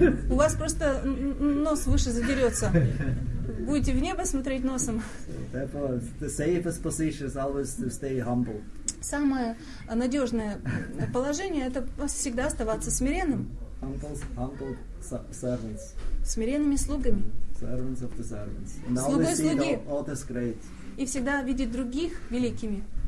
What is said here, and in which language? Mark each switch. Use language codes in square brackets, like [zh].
[ru] У вас просто нос выше задерется. Будете в небо смотреть носом. [en] The safest position is always to stay humble. [ru] Самое надежное положение — это всегда оставаться смиренным. [en] Humble servants. [ru] Смиренными слугами. [en] Servants of the servants. And [ru] слугой слуги. [en] All this great. [ru] И всегда видеть других великими.